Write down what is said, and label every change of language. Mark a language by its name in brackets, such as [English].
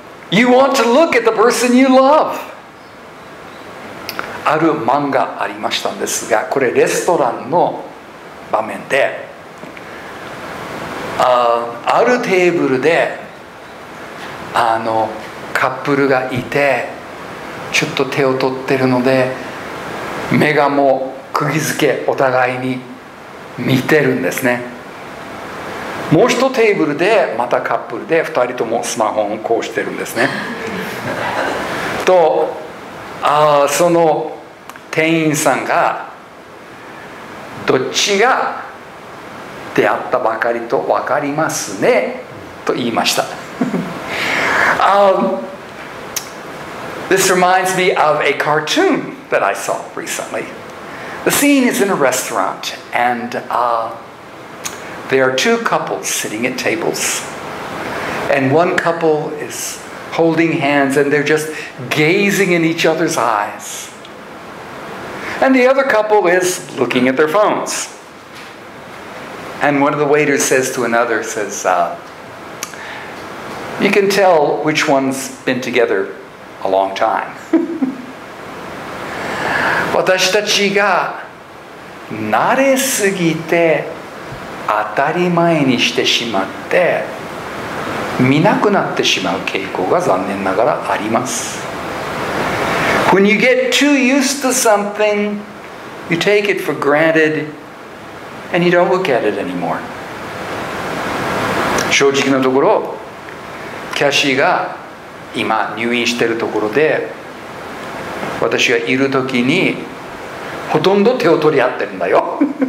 [English] you want to look at the person you love. [Japanese] ある漫画ありましたんですが、これレストランの場面で、あるテーブルで、カップルがいて、ちょっと手を取ってるので、目がもう釘付け、お互いに見てるんですね。もう一テーブルで、またカップルで、二人ともスマホをこうしてるんですね。と、その店員さんが、どっちが出会ったばかりと分かりますね、と言いました。 [English] This reminds me of a cartoon that I saw recently. The scene is in a restaurant, and there are two couples sitting at tables. And one couple is holding hands, and they're just gazing in each other's eyes. And the other couple is looking at their phones. And one of the waiters says to another, you can tell which one's been together a long time. [Japanese] 私たちが慣れすぎて当たり前にしてしまって見なくなってしまう傾向が残念ながらあります。 [English] When you get too used to something, you take it for granted and you don't look at it anymore. [Japanese] 正直なところ、キャシーが今入院しているところで、私がいるときにほとんど手を取り合ってるんだよ。